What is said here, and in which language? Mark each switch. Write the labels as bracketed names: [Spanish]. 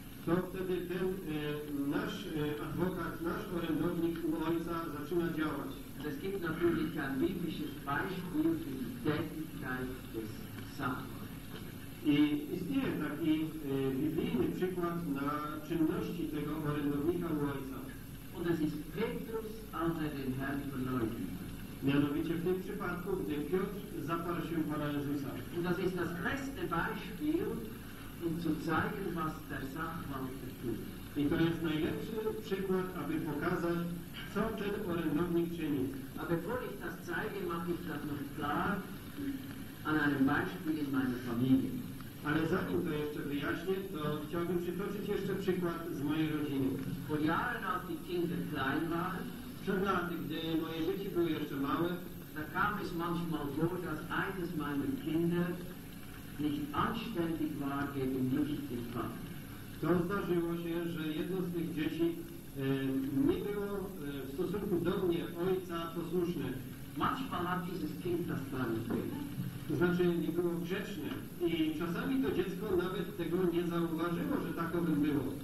[Polish] To wtedy ten nasz adwokat, nasz orędownik u Ojca zaczyna działać. [German] Es gibt natürlich ein biblisches Beispiel für die Tätigkeit des Sachwalters. [Polish] I istnieje taki biblijny przykład na czynności tego orędownika u Ojca. [German] Und es ist Petrus, als er den Herrn verleugnet. [Polish] Mianowicie w tym przypadku, gdy Piotr zaparł się Pana Jezusa. [German] Und das ist das beste Beispiel, um zu zeigen, was der Sachwalter tut. [Polish] I to jest najlepszy przykład, aby pokazać, co ten orędownik czyni. [German] A bevor ich das zeige, mache ich das noch klar an einem Beispiel in meiner Familie. [Polish] Ale zanim to jeszcze wyjaśnię, to chciałbym przytoczyć jeszcze przykład z mojej rodziny. [German] Vor Jahren, als die Kinder klein waren, [Polish] przed laty, gdy moje dzieci były jeszcze małe, [German] da kam es manchmal vor, dass eines meiner Kinder nicht anständig war gegen mich, den Vater. [Polish] To zdarzyło się, że jedno z tych dzieci nie było w stosunku do mnie ojca posłuszne. [German] Manchmal hat dieses Kind das Plan gegeben. [Polish] to znaczy nie było grzeczne. I czasami to dziecko nawet tego nie zauważyło, że takowym było.